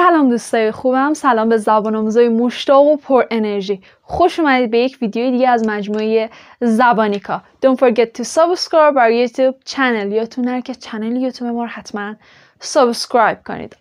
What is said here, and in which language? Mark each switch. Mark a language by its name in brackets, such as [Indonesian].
[Persian] دوستای خوبم، سلام به زبان آموزای مشتاق و پر انرژی. خوش اومدید به یک ویدیوی دیگه از مجموعه زبانیکا. [English] Don't forget to subscribe our YouTube channel. [Persian] یادتون نره که چنل یوتیوب ما رو حتما سابسکرایب کنید.